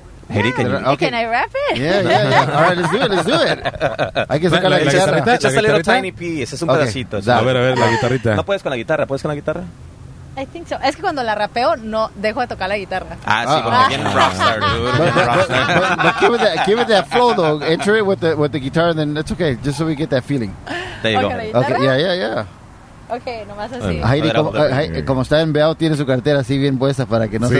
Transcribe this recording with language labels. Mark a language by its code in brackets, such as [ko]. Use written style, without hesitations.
[en] Jerry, yeah, can I rap it? Yeah. All right, let's do it. [es] Hay que sacar la guitarra. Echas [en] a little tiny piece, [es] es un pedacito. A ver, la guitarrita. No puedes con la guitarra, ¿puedes con la guitarra? [en] I think so. [es] Es que cuando la rapeo, no dejo de tocar la guitarra. [en] Bien rockstar, dude. Give it that flow, though. Enter it with the guitar, then it's okay. Just so we get that feeling. There you go. Okay, yeah. [es] Okay, nomás así. Heidi, como está en Bell, tiene su cartera así bien puesta para que no se